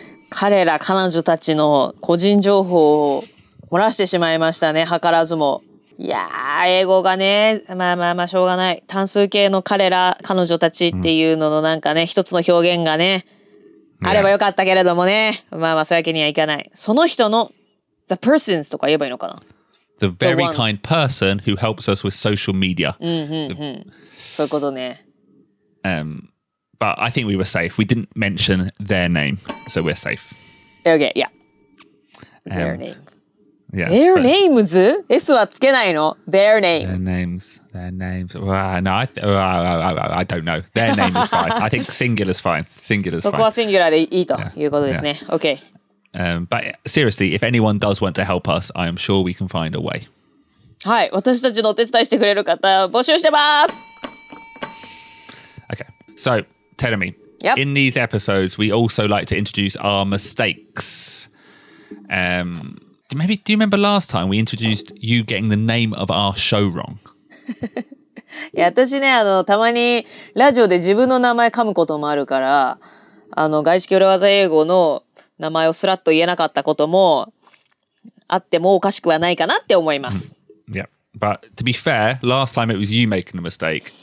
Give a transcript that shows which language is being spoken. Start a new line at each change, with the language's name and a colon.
Japanese: 彼ら彼女たちの個人情報を漏らしてしまいましたね、計らずも。いやー、英語がね、まあまあまあ、しょうがない。単数形の彼ら、彼女たちっていうののなんかね、一つの表現がね、あればよかったけれどもね、まあまあ、そういうわけにはいかない。その人の、
English: the persons
Japanese: とか言えばいいのかな。
English: The very kind person who helps us with social media.
Japanese: そういうことね。
English: But I think we were safe. We didn't mention their name, so we're safe. Okay, yeah. Their name. Yeah, their names? S
Japanese: はつけないの?
English: Their name. Their names. I don't know. Their name is fine. I think singular is fine. Singular is fine. そこは singular でいいということですね。 Yeah. Okay. But seriously, if anyone does want to help us, I am sure we can find a way.
Japanese: はい。私たちのお手伝いしてくれる方、募集してます。
English: Okay. So, Tenomi. Yep. In these episodes, we also like to introduce our mistakes. Maybe, do you remember last time we introduced you getting the name of our show wrong?
Japanese: Yeah, 私ね、たまにラジオで自分の名前噛むこともあるから、外資系裏技英語の名前をスラッと言えなかったこともあってもおかしくはないかなって思います。 Mm.
English: Yeah, but to be fair, last time it was you making the mistake.